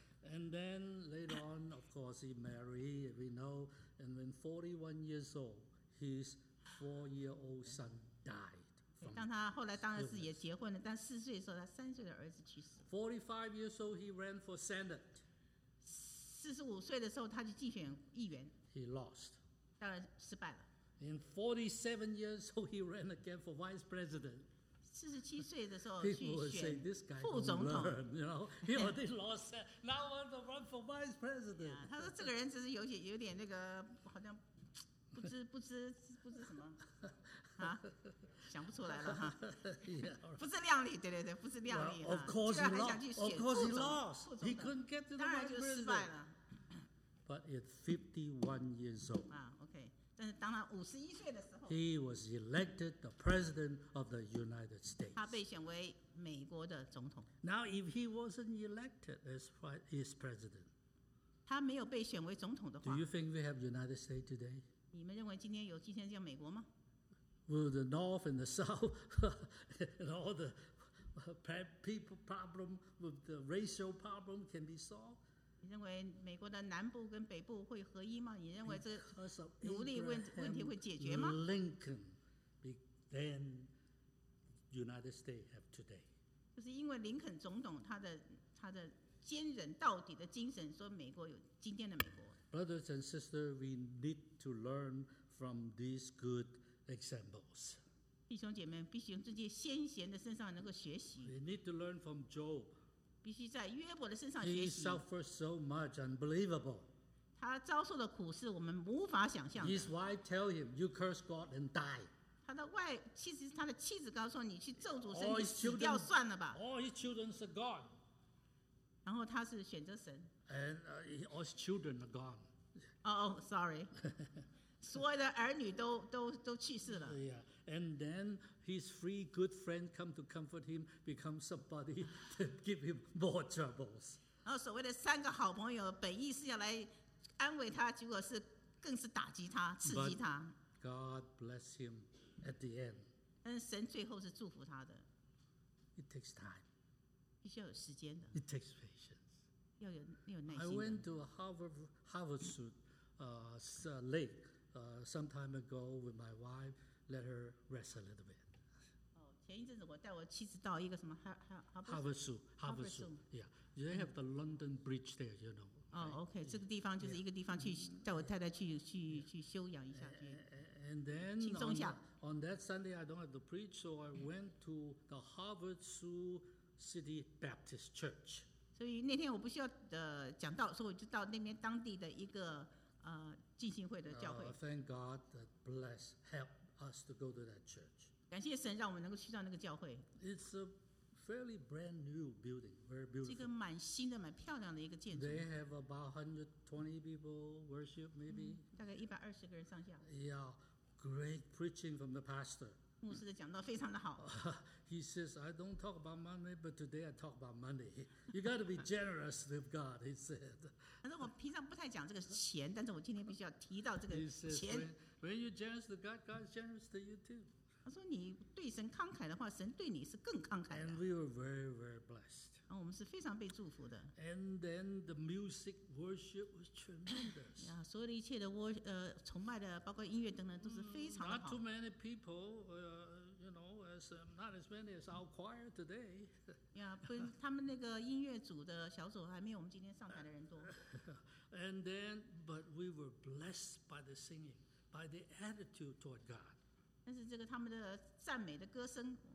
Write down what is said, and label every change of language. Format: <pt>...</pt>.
<en>And then later on, of course, he married, we know. And when 41 years old, his 4-year-old son died.</en> <zh>当他后来当然是也结婚了，但四岁的时候，他三岁的儿子去世。</zh> <en>45 years old, he ran for Senate.</en> <zh>45岁的时候，他就竞选议员。</zh> <en>He lost.</en> <zh>当然失败了。</zh> <en>In 47 years old, he ran again for vice president.</en> <zh>47岁的时候去选副总统。</zh> <en>This guy don't learn, you know, he already lost. Now want to run for vice president.</en> <zh>他说这个人只是有点那个，好像不知什么啊，想不出来了哈。不自量力，对，不自量力。</zh> <en>Of course he lost. Of course he lost. He couldn't get to the vice president.</en> <zh>当然就失败了。</zh> <en>But at 51 years old.</en> <zh>Okay. 但是当他51岁的时候</zh> <en>，He was elected the president of the United States.</en> <zh>他被选为美国的总统。</zh> <en>Now, if he wasn't elected as his president,</en> <zh>他没有被选为总统的话</zh> <en>，Do you think we have United States today?</en> <zh>你们认为今天有今天这样美国吗</zh> <en>？Will the North and the South and all the people problem with the racial problem can be solved?</en> <zh>你认为美国的南部跟北部会合一吗？你认为这奴隶问题会解决吗</zh> <en>？Lincoln, then United States have today.</en> <zh>就是因为林肯总统他的坚韧到底的精神，说美国有今天的美国。</zh> <en>Brothers and sisters, we need to learn from these good examples.</en> <zh>弟兄姐妹，必须从这些先贤的身上能够学习。</zh> <en>We need to learn from Job.</en> <zh>必须在约伯的身上学习。</zh> <en>He suffered so much, unbelievable.</en> <zh>他遭受的苦是我们无法想象的。</zh> <en>His wife tell him, "You curse God and die."</en> <zh>他的妻子告诉你去咒诅神，你死掉算了吧。</zh> <en>All his children are gone.</en> <zh>然后他是选择神。</zh> <en>And all his children are gone. Sorry.</en> <zh>所有的儿女都去世了。</zh> <en>Yeah. And then his three good friends come to comfort him, become somebody to give him more troubles.</en> <zh>然后所谓的三个好朋友本意是要来安慰他，结果是更是打击他，刺激他。</zh> <en>But God bless him at the end.</en> <zh>但是神最后是祝福他的。</zh> <en>It takes time.</en> <zh>必须要有时间的。</zh> <en>It takes patience.</en> <zh>要有耐心的。</zh> <en>I went to a Harvard Lake. Some time ago with my wife, let her rest a little bit.</en> <zh>前一阵子我带我妻子到一个什么</zh> <en>Harvard Zoo. Yeah, they have the London Bridge there, you know.</en> <zh>Okay, 这个地方就是一个地方去带我太太去休养一下，去轻松一下。And</zh> <en>then on that Sunday, I don't have to preach, so I went to the Harvard Zoo City Baptist Church.</en> <zh>所以那天我不需要讲道，所以我就到那边当地的一个。浸信会的教会。</zh> <en>Thank God that bless help us to go to that church.</en> <zh>感谢神让我们能够去到那个教会。</zh> <en>It's a fairly brand new building, very beautiful.</en> <zh>这个蛮新的、蛮漂亮的一个建筑。</zh> <en>They have about 120 people worship, maybe.</en> <zh>大概120个人上下。</zh> <en>Yeah, great preaching from the pastor.</en> <zh>牧师的讲道非常的好。</zh> <en>He says, "I don't talk about money, but today I talk about money. You got to be generous with God," he said.</en> <zh>他说我平常不太讲这个钱，但是我今天必须要提到这个钱。</zh> <en>He says, "When you're generous to God, God's generous to you too."</en> <zh>他说你对神慷慨的话，神对你是更慷慨的。</zh> <en>And we were very, very blessed.</en> <zh>然后我们是非常被祝福的。</zh> <en>And then the music worship was tremendous.</en> <zh>呀，所有的一切的崇拜的，包括音乐等等，都是非常的好。</zh> <en>Not too many people. You know, as not as many as our choir today.</en> <zh>Yeah, 不，他们那个音乐组的小组还没有我们今天上台的人多。</zh> <en>And then, but we were blessed by the singing, by the attitude toward God.</en> <zh>但是这个他们的赞美的歌声，</zh>